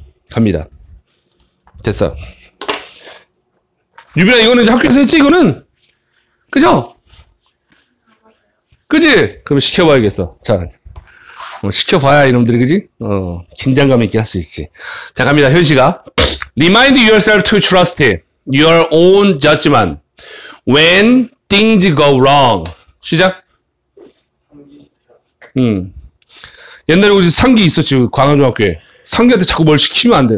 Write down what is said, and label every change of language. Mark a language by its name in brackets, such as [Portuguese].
[Korean] 갑니다. 됐어. 유빈아, 이거는 이제 학교에서 했지? 이거는? 그죠? 그지? 그럼 시켜봐야겠어. 자, 시켜봐야 이놈들이, 그지? 긴장감 있게 할 수 있지. 자, 갑니다. 현시가. [English] Remind yourself to trust your own judgment when things go wrong. [Korean] 시작. 옛날에 우리 상기 있었지, 광화중학교에. 상기한테 자꾸 뭘 시키면 안 돼.